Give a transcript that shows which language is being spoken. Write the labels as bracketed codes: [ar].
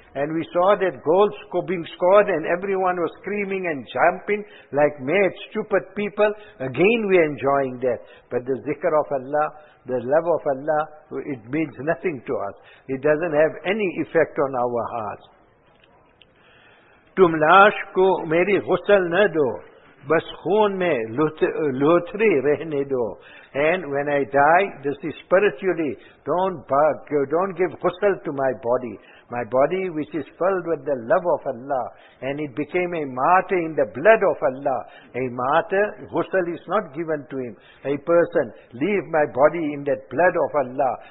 [en] And we saw that goals being scored and everyone was screaming and jumping like mad, stupid people. Again we are enjoying that. But the zikr of Allah, the love of Allah, it means nothing to us. It doesn't have any effect on our hearts. [ur] تم لاش کو میری غسل نہ دو بس خون میں لوتھری رہنے دو. [en] And when I die, this is spiritually, don't give ghusl to my body. My body which is filled with the love of Allah, and it became a martyr in the blood of Allah. A martyr, ghusl is not given to him. A person, leave my body in that blood of Allah.